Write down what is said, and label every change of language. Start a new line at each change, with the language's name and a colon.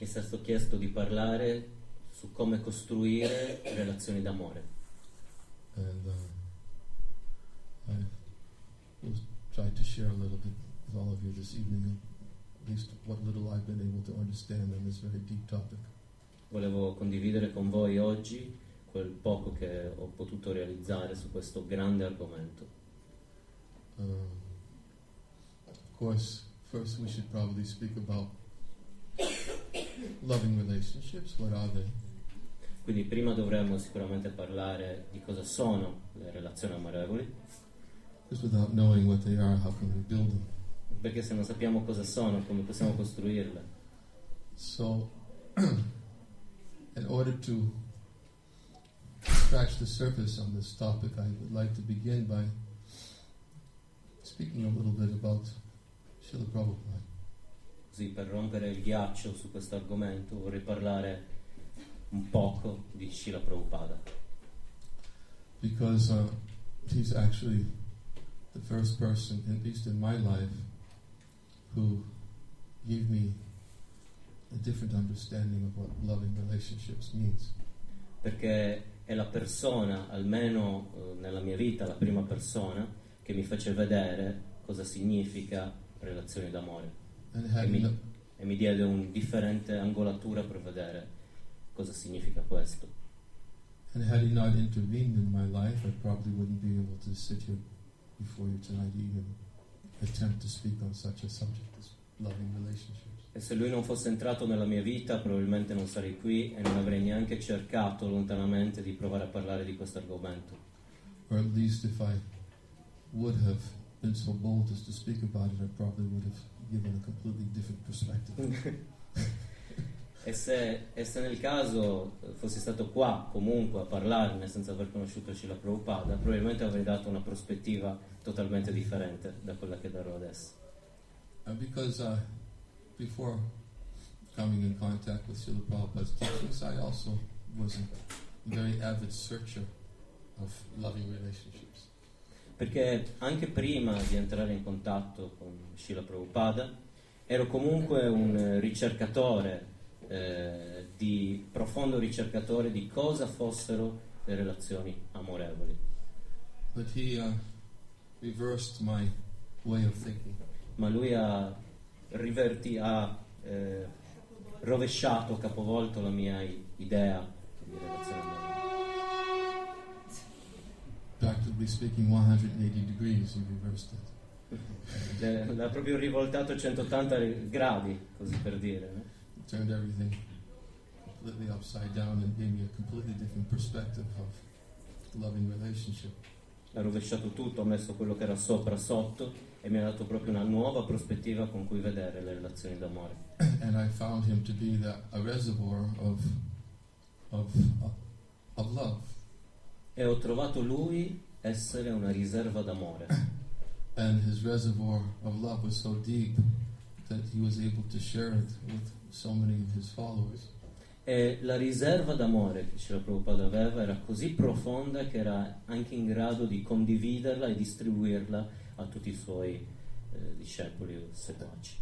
Italian: Mi è stato chiesto di parlare su come costruire relazioni d'amore.
English: And I will try to share a little bit with all of you this evening. At least what little I've been able to understand on this very deep topic.
Italian: Volevo condividere con voi oggi quel poco che ho potuto realizzare su questo grande argomento.
English: Of course, first we should probably speak about loving relationships. What are they?
Italian: Quindi prima dovremmo sicuramente parlare di cosa sono le relazioni amorevoli.
English: Because without knowing what they are, how can we build them?
Italian: Perché se non sappiamo cosa sono, come possiamo costruirle?
English: So, in order to scratch the surface on this topic, I would like to begin by speaking a little bit about Srila Prabhupada.
Italian: Così, per rompere il ghiaccio su questo argomento, vorrei parlare un poco di Srila Prabhupada.
English: Because he's actually the first person, at least in my life, who gave me a different understanding of what loving relationships means.
Italian: Perché è la persona, almeno nella mia vita, la prima persona che mi fece vedere cosa significa relazioni d'amore.
English: And having
Italian: e mi diede un differente angolatura per vedere cosa significa questo.
English: And had he not intervened in my life, I probably wouldn't be able to sit here before you tonight even attempt to speak on such a subject as loving relationships.
Italian: E se lui non fosse entrato nella mia vita, probabilmente non sarei qui e non avrei neanche cercato lontanamente di provare a parlare di questo argomento.
English: Or at least if I would have been so bold as to speak about it, I probably would have given a completely different perspective.
Italian: E se nel caso fossi stato qua comunque a parlarne senza aver conosciuto Srila Prabhupada, probabilmente avrei dato una prospettiva totalmente differente da quella che darò adesso.
English: Because before coming in contact with Srila Prabhupada's teachings, I also was a very avid searcher of loving relationships.
Italian: Perché anche prima di entrare in contatto con Srila Prabhupada ero comunque un ricercatore, di profondo ricercatore di cosa fossero le relazioni amorevoli.
English: But he reversed my way of thinking.
Italian: Ma lui ha rovesciato, capovolto la mia idea di relazione amorevole.
English: Practically speaking, 180 degrees, he reversed it.
Italian: L'ha proprio rivoltato 180 gradi, così per dire.
English: Turned everything completely upside down and gave me a completely different perspective of loving relationship.
Italian: Ha rovesciato tutto, ha messo quello che era sopra sotto e mi ha dato proprio una nuova prospettiva con cui vedere le relazioni d'amore.
English: And I found him to be a reservoir of love.
Italian: E ho trovato lui essere una riserva d'amore.
English: And his reservoir of love was so deep that he was able to share it with so many of his followers.
Italian: E la riserva d'amore che Srila Prabhupada aveva era così profonda che era anche in grado di condividerla e distribuirla a tutti i suoi discepoli o seguaci.